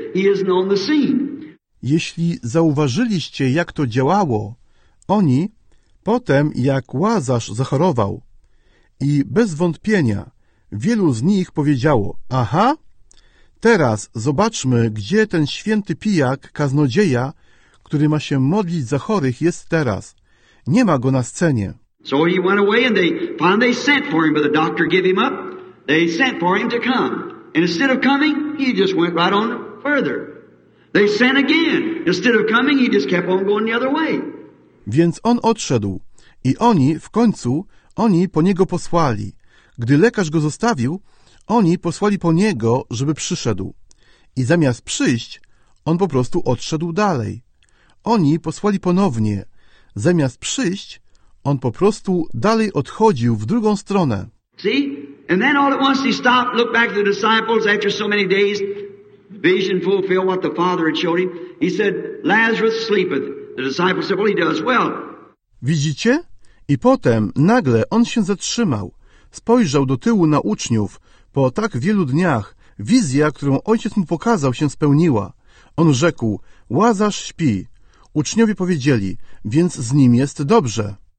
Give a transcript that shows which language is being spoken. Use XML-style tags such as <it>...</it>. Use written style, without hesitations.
<en>He isn't on the scene.</en> <pl>Jeśli zauważyliście, jak to działało, oni, potem jak Łazarz zachorował, i bez wątpienia wielu z nich powiedziało, aha, teraz zobaczmy, gdzie ten święty pijak, kaznodzieja, który ma się modlić za chorych, jest teraz. Nie ma go na scenie.</pl> <en>So he went away and they finally sent for him, but the doctor gave him up. They sent for him to come. And instead of coming, he just went right on further. They sent again. Instead of coming, he just kept on going the other way.</en> <pl>Więc on odszedł i oni w końcu, oni po niego posłali. Gdy lekarz go zostawił, oni posłali po niego, żeby przyszedł. I zamiast przyjść, on po prostu odszedł dalej. Oni posłali ponownie. Zamiast przyjść, on po prostu dalej odchodził w drugą stronę.</pl> <en>See? And then all at once he stopped, looked back at the disciples after so many days, vision fulfilled what the Father had showed him. He said, Lazarus sleepeth. The disciples said, well, he does well.</en> <pl>Widzicie? I potem nagle on się zatrzymał. Spojrzał do tyłu na uczniów. Po tak wielu dniach wizja, którą ojciec mu pokazał, się spełniła. On rzekł, Łazarz śpi. Uczniowie powiedzieli, więc z nim jest dobrze.</pl>